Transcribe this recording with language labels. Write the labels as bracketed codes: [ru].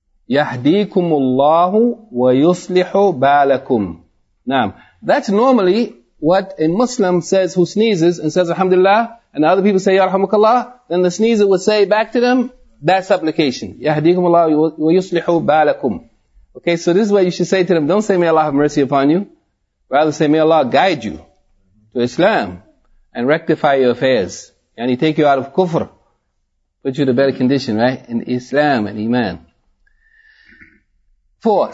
[ar] يهديكم الله ويصلح بالكم. [en] Now, that's normally what a Muslim says who sneezes and says Alhamdulillah, and other people say [ar] يرحمك الله, [en] then the sneezer would say back to them that supplication. [ar] يهديكم الله ويصلح بالكم. [en] Okay, so this is what you should say to them. Don't say may Allah have mercy upon you. Rather say may Allah guide you to Islam and rectify your affairs. And He take you out of kufr, put you in a better condition, right? In Islam and Iman. 4.